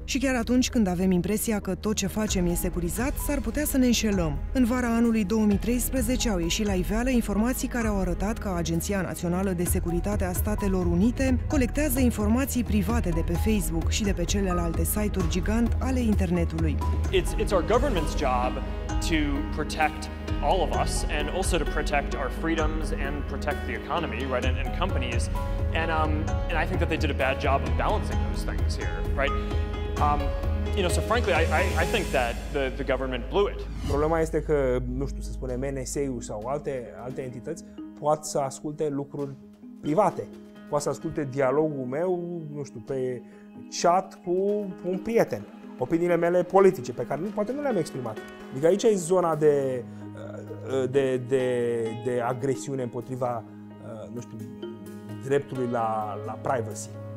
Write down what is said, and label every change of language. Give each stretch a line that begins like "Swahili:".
Romanian: Și chiar atunci când avem impresia că tot ce facem e securizat, s-ar putea să ne înșelăm. În vara anului 2013 au ieșit la iveală informații care au arătat că Agenția Națională de Securitate a Statelor Unite colectează informații private de pe Facebook și de pe celelalte site-uri gigant ale internetului.
English: It's our government's job to protect all of us and also to protect our freedoms and protect the economy, right, and companies. And I think that they did a bad job of balancing those things here, right? So frankly, I think that the government blew it.
Romanian: Problema este că, nu știu, să spunem NSA-ul sau alte entități pot să asculte lucruri private. Poate să asculte dialogul meu, nu știu, pe chat cu un prieten. Opiniile mele politice, pe care poate nu le-am exprimat. Adică aici e zona de agresiune împotriva, nu știu, dreptului la privacy.